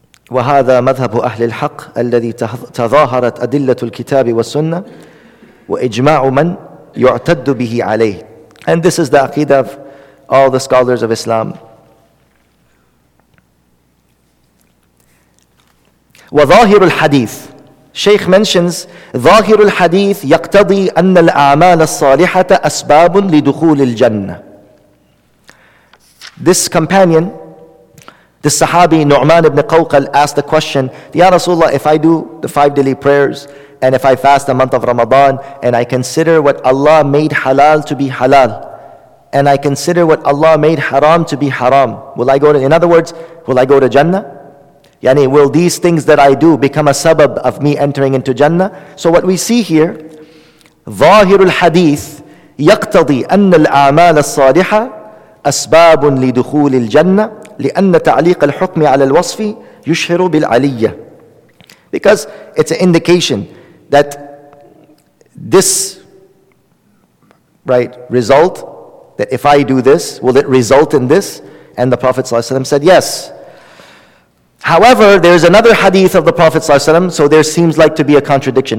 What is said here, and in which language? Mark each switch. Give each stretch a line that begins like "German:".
Arabic: وهذا مذهب أهل الحق الذي تظاهرت أدلة الكتاب والسنة وإجماع من يعتد به عليه.
English: And this is the aqidah of all the scholars of Islam.
Arabic: وظاهر الحديث.
English: Sheikh mentions
Arabic: ظاهر الحديث يقتضي أن الأعمال الصالحة أسباب لدخول الجنة.
English: This companion, the Sahabi Nu'man ibn Qawqal, asked the question, Ya Rasulullah, if I do the five daily prayers, and if I fast the month of Ramadan, and I consider what Allah made halal to be halal, and I consider what Allah made haram to be haram, will I go to, in other words, will I go to Jannah? Yani, will these things that I do become a sabab of me entering into Jannah? So what we see here,
Arabic: ظاهر الحديث يقتضي أن الأعمال الصالحة أسباب لدخول الجنة لأن تعليق الحكم على الوصف يشهر بالعلية.
English: Because it's an indication that this, right, result, that if I do this, will it result in this? And the Prophet ﷺ said yes. However, there's another hadith of the Prophet ﷺ, so there seems like to be a contradiction.